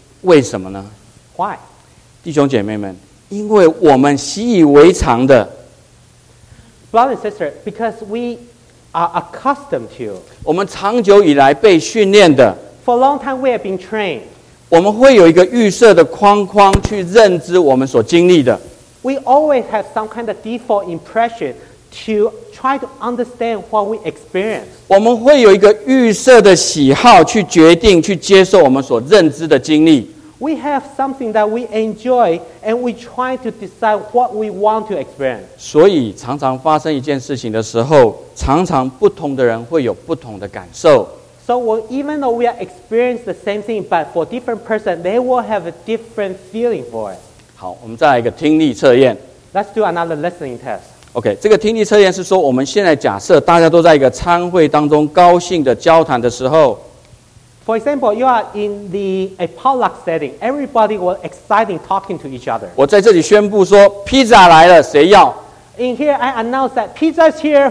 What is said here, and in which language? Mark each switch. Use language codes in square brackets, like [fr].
[zh] 为什么呢 [en] ？Why？ [zh] 弟兄姐妹们，因为我们习以为常的。 [en] Brother and sister, because we are accustomed to. [zh] 我们长久以来被训练的。 [en] For a long time, we have been trained. [zh] 我们会有一个预设的框框去认知我们所经历的。 [en] We always have some kind of default impression. To try to understand what we experience. [zh] 我们会有一个预设的喜好去决定去接受我们所认知的经历。 [en] We have something that we enjoy, and we try to decide what we want to experience. [zh] 所以常常发生一件事情的时候，常常不同的人会有不同的感受。 [en] So even though we are experiencing the same thing, but for different person, they will have a different feeling for it. [zh] 好，我们再来一个听力测验。 [en] Let's do another listening test. [zh] OK， 这个听力测验是说，我们现在假设大家都在一个餐会当中高兴的交谈的时候。 [en] For example, you are in the a potluck setting. Everybody was excited talking to each other. [zh] 我在这里宣布说， pizza 来了，谁要？ [en] In here, I announce that pizza is here.